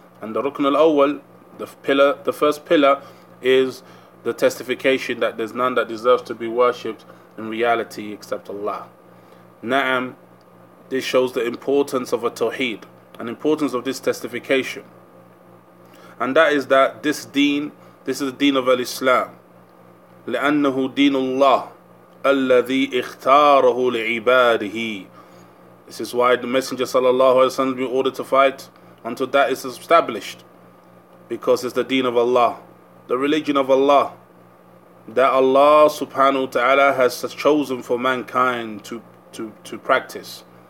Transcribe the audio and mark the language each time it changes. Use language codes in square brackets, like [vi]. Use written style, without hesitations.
[en] And the Rukun al-Awwal, the first pillar, is the testification that there's none that deserves to be worshipped in reality except Allah. Na'am, this shows the importance of a Tawheed, and importance of this testification. And that is that this deen, this is the deen of Al-Islam. [ar] لأنه دين الله الذي اختاره لعباده. [en] This is why the Messenger sallallahu alaihi wasallam be ordered to fight until that is established, because it's the deen of Allah, the religion of Allah, that Allah subhanahu wa ta'ala has chosen for mankind to practice.